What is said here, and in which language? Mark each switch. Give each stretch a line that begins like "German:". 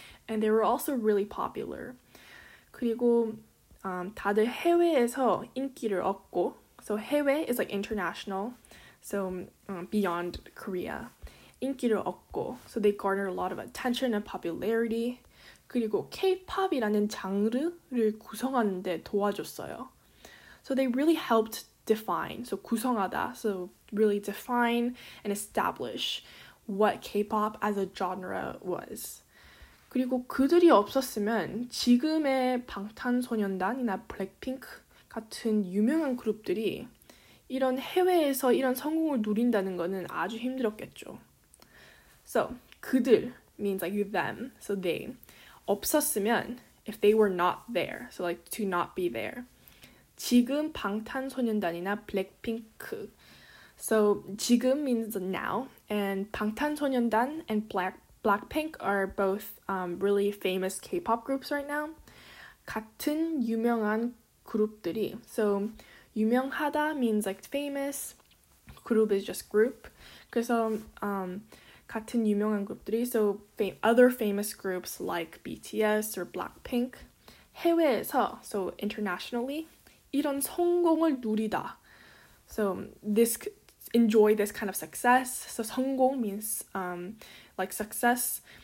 English: And they were also really popular.
Korean: 그리고 다들 해외에서 인기를 얻고,
English: so 해외 is like international, so beyond Korea.
Korean: 인기를 얻고,
English: so they garnered a lot of attention and popularity.
Korean: 그리고 K-pop이라는 장르를 구성하는데 도와줬어요.
English: So they really helped define, so 구성하다, so really define and establish what K-pop as a genre was.
Korean: 그리고 그들이 없었으면 지금의 방탄소년단이나 블랙핑크 같은 유명한 그룹들이 이런 해외에서 이런 성공을 누린다는 거는 아주 힘들었겠죠.
English: So 그들 means like them, so they 없었으면 if they were not there, so like to not be there.
Korean: 지금 방탄소년단이나 블랙핑크.
English: So
Korean: 지금 means now,
English: and 방탄소년단 and Blackpink are both really famous K-pop groups right now.
Korean: 같은 유명한 그룹들이.
English: So 유명하다 means like famous. Group is just group.
Korean: 그래서 같은 유명한 그룹들이.
English: So other famous groups like BTS or Blackpink.
Korean: 해외에서,
English: so internationally.
Korean: 이런 성공을 누리다.
English: So this enjoy this kind of success. So 성공 means like success.